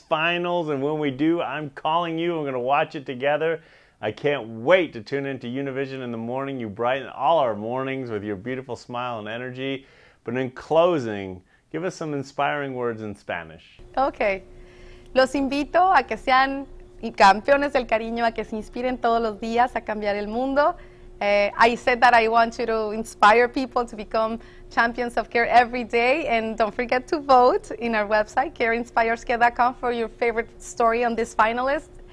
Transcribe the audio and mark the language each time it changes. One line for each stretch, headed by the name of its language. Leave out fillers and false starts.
English: finals, and when we do, I'm calling you. We're going to watch it together. I can't wait to tune into Univision in the morning. You brighten all our mornings with your beautiful smile and energy. But in closing, give us some inspiring words in Spanish. Okay.
Spanish: Los invito a que sean campeones del cariño, a que se inspiren todos los días a cambiar el mundo.
English: I said that I want you to inspire people to become champions of care every day. And don't forget to vote in our website, careinspireskit.com, for your favorite story on this finalist.